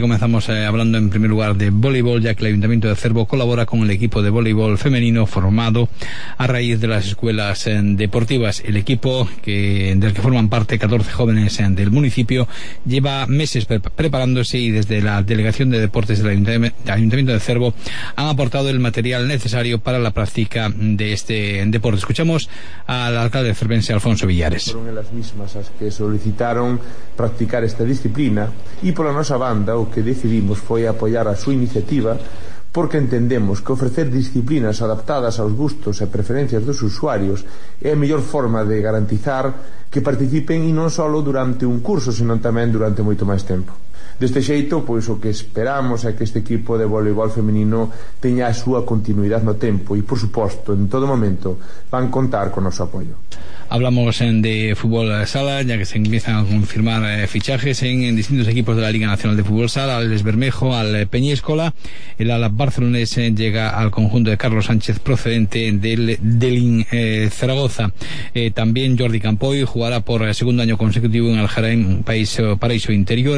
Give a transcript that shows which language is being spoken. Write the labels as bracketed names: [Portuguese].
[Spanish] Comenzamos hablando en primer lugar de voleibol, ya que el Ayuntamiento de Cervo colabora con el equipo de voleibol femenino formado a raíz de las escuelas deportivas. El equipo del que forman parte 14 jóvenes del municipio lleva meses preparándose y desde la Delegación de Deportes del Ayuntamiento de Cervo han aportado el material necesario para la práctica de este deporte. Escuchamos al alcalde cervense, Alfonso Villares. [Galician] Masas que solicitaron practicar esta disciplina y por la nosa banda o que decidimos foi apoyar a súa iniciativa porque entendemos que ofrecer disciplinas adaptadas aos gustos e preferencias dos usuarios é a mellor forma de garantizar que participen e non só durante un curso, senón tamén durante moito máis tempo. Deste xeito, pois o que esperamos é que este equipo de voleibol feminino teña a súa continuidade no tempo e, por suposto, en todo momento van contar con o noso apoio. [Spanish] Hablamos de fútbol sala, ya que se empiezan a confirmar fichajes en distintos equipos de la Liga Nacional de Fútbol Sala, al Les Bermejo, al Peñíscola. El ala barcelonés llega al conjunto de Carlos Sánchez, procedente del Delín Zaragoza. También Jordi Campoy jugará por segundo año consecutivo en el Jaén, paraíso interior.